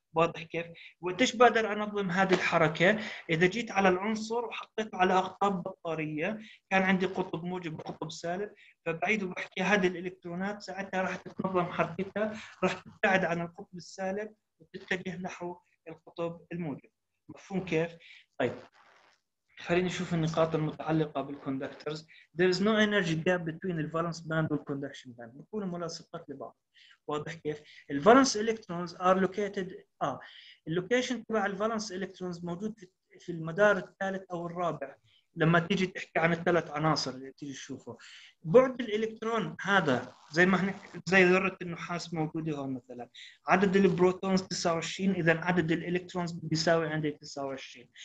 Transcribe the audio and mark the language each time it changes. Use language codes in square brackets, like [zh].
[ar] واضح كيف؟ وقديش بقدر انظم هذه الحركه؟ اذا جيت على العنصر وحطيته على اقطاب بطاريه، كان عندي قطب موجب وقطب سالب، فبعيده بحكي هذه الالكترونات ساعتها راح تتنظم حركتها، راح تبتعد عن القطب السالب وتتجه نحو القطب الموجب. مفهوم كيف؟ طيب خلينا نشوف النقاط المتعلقة بالكوندكترز. [en] There is no energy gap between the valence band and conduction band. [ar] بيكونوا ملاصقات لبعض. واضح كيف؟ ال [en] valence electrons are located [ar] اللوكيشن تبع ال valence electrons موجود في المدار الثالث أو الرابع. لما تيجي تحكي عن الثلاث عناصر اللي تيجي تشوفه، بعد الالكترون هذا زي ما زي ذره النحاس موجوده هون مثلا، عدد البروتونز 29، اذا عدد الالكترونز بيساوي عندي 29.